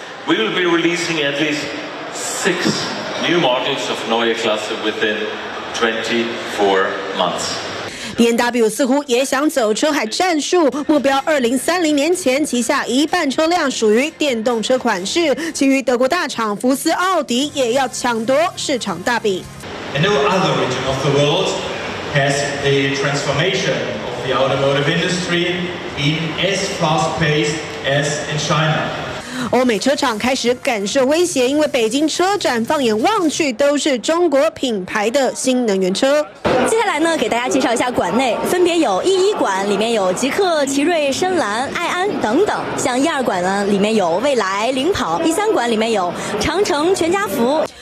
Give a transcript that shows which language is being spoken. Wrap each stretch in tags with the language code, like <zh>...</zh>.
<en>We will be releasing at least 6 new models of Neue Klasse within 24 months.</en> <zh>BMW 似乎也想走车海战术，目标2030年前旗下一半车辆属于电动车款式，其余德国大厂福斯、奥迪也要抢夺市场大饼。</zh> <en>And no other region of the world has the transformation of the automotive industry in as fast-paced as in China.</en> <zh>欧美车厂开始感受威胁，因为北京车展放眼望去都是中国品牌的新能源车。接下来呢，给大家介绍一下馆内，分别有一馆，里面有极客、奇瑞、深蓝、爱安等等；像一二馆呢，里面有蔚来、领跑；第三馆里面有长城、全家福。</zh>